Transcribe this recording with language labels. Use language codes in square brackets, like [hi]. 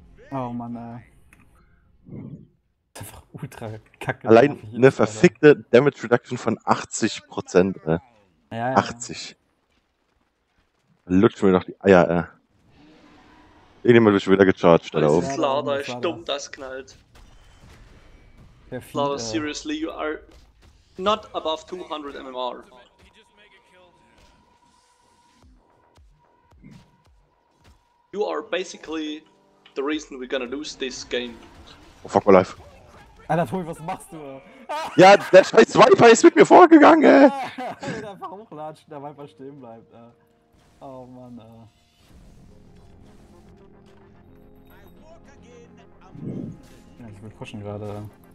[de] Oh Mann, Das ist einfach ultra kacke. Allein eine verfickte Damage Reduction von 80%, Ja, 80. Ja. Lutschen wir noch die Eier, Irgendjemand wird schon wieder gecharged, da oben. Das ist klar, da ist dumm, das knallt. [en] Lauder, seriously, you are not above 200 MMR. You are basically the reason we're gonna lose this game. Oh, fuck my life. [de] Alter, Tobi, was machst du? Ja, der scheiß Viper ist mit mir vorgegangen, Ich will einfach hochlatschen, der Viper stehen bleibt, Oh Mann, Ja, ich will pushen gerade.